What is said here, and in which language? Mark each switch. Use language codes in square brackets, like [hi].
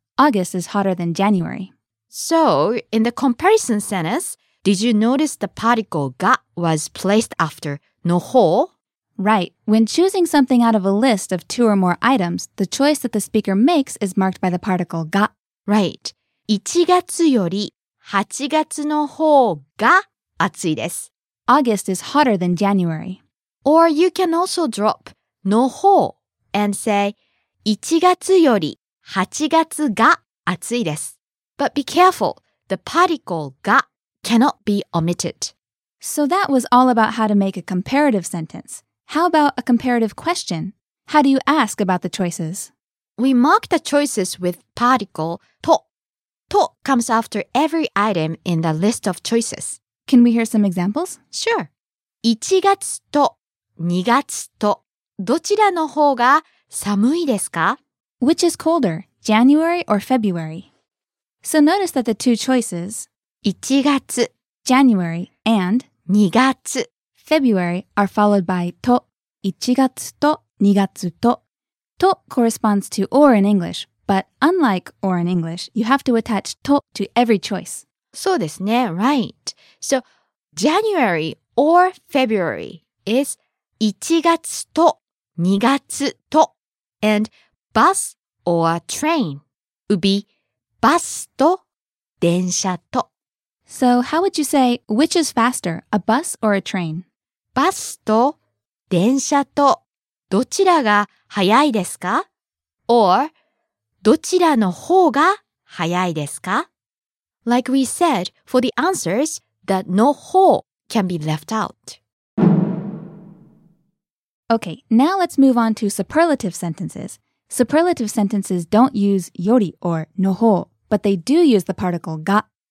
[en] August is hotter than January. So, in the comparison sentence, did you notice the particle が was placed after の方? Right. When choosing something out of a list of two or more items, the choice that the speaker makes is marked by the particle が. Right. [ja] 1月より8月の方が暑いです. [en] August is hotter than January. Or you can also drop の方 and say [ja] 1月より8月が暑いです. [en] But be careful. The particle が cannot be omitted. So that was all about how to make a comparative sentence. How about a comparative question? How do you ask about the choices? We mark the choices with particle と. と comes after every item in the list of choices. Can we hear some examples? Sure. [ja] 1月と2月とどちらの方が寒いですか? [en] Which is colder, January or February? So notice that the two choices, [ja] 1月, [en] January, and [ja] 2月, [en] February are followed by [ja] と1月と2月と。 [en] と corresponds to or in English, but unlike or in English, you have to attach to every choice. [ja] そうですね、 [en] right. So, January or February is [ja] 1月と2月と。 [en] And bus or train would be bus と電車と。 So, how would you say which is faster, a bus or a train? [ja] バスと電車とどちらが早いですか? Or, どちらの方が早いですか? [en] Like we said, for the answers, the の方 can be left out. Okay, now let's move on to superlative sentences. Superlative sentences don't use より or の方, but they do use the particle が.